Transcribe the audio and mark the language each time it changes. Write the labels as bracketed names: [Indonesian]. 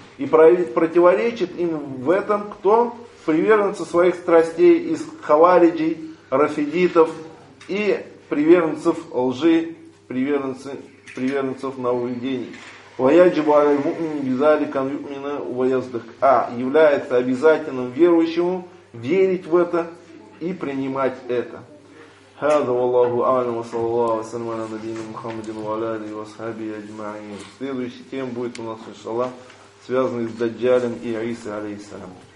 [Russian] И противоречит им в этом кто? Приверженцы своих страстей из хавариджей, рафидитов и приверженцев лжи, приверженцев нововведений. [Arabic] Ваяджибу аль муъмини бизалика ан юъмина ва яздык. [Russian] А является обязательным верующему верить в это и принимать это. [Arabic] هذا والله اعلم وصلى الله وسلم على نبينا محمد وعلى اله وصحبه اجمعين. [Russian] Следующая тема будет у нас иншаллах связанная с Даджалем и Иса алейхиссалям.